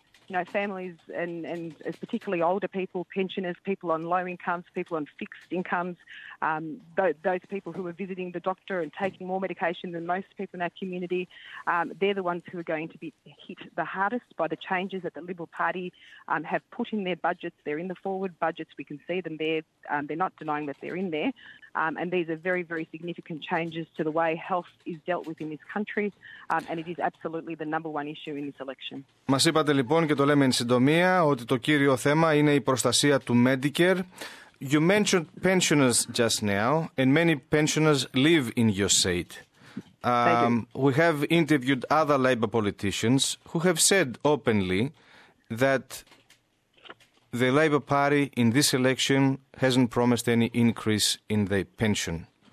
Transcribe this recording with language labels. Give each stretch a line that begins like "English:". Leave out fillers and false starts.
English: You know, families and particularly older people, pensioners, people on low incomes, people on fixed incomes, those people who are visiting the doctor and taking more medication than most people in our community, they're the ones who are going to be hit the hardest by the changes that the Liberal Party have put in their budgets. They're in the forward budgets. We can see them there. They're not denying that they're in there. And these are very, very significant changes to the way health is dealt with in this country. And it is absolutely the number one issue in this election.
Greek: Μας είπατε λοιπόν, και το λέμε εν συντομία, ότι το κύριο θέμα είναι η προστασία του Medicare.
English: You mentioned pensioners just now, and many pensioners live in your state. We have interviewed other Labour politicians who have said openly that the Labour Party in this election hasn't promised any increase in the pension.